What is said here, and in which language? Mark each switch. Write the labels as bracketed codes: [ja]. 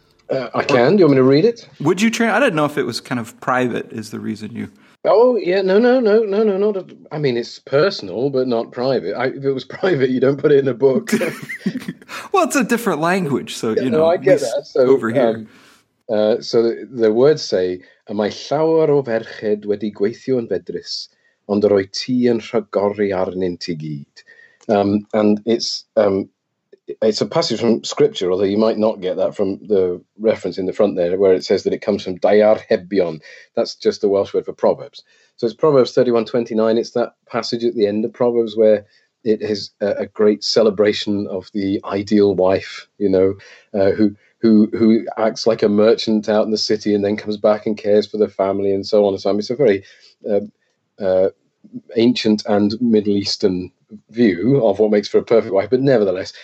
[en] I can. Do you want me to read it? Would you translate? I don't know if it was kind of private is the reason you... Oh, yeah. No. I mean, it's personal, but not private. If it was private, you don't put it in a book. Well, it's a different language, so, yeah, you know, no, I get that. So, over here. So the words say, [cy] Mae llawer o ferched wedi gweithio yn fedrus, ond roi ti yn rhagori arnynt I gyd. [en] It's a passage from scripture, although you might not get that from the reference in the front there, where it says that it comes from Dyar Hebion. That's just the Welsh word for Proverbs. So it's Proverbs 31:29. It's that passage at the end of Proverbs where it is a great celebration of the ideal wife, you know, who acts like a merchant out in the city and then comes back and cares for the family and so on and so on. It's a very ancient and Middle Eastern view of what makes for a perfect wife, but nevertheless.